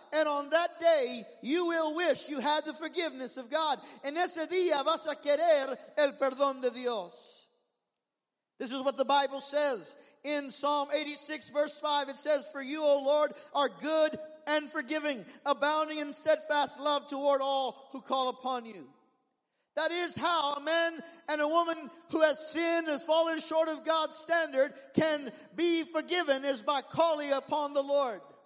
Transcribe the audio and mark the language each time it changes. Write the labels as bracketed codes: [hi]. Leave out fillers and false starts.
[en] And on that day, you will wish you had the forgiveness of God. [es] En ese día vas a querer el perdón de Dios. [en] This is what the Bible says in Psalm 86, verse 5. It says, for you, O Lord, are good and forgiving, abounding in steadfast love toward all who call upon you. That is how a man and a woman who has sinned, has fallen short of God's standard, can be forgiven, is by calling upon the Lord.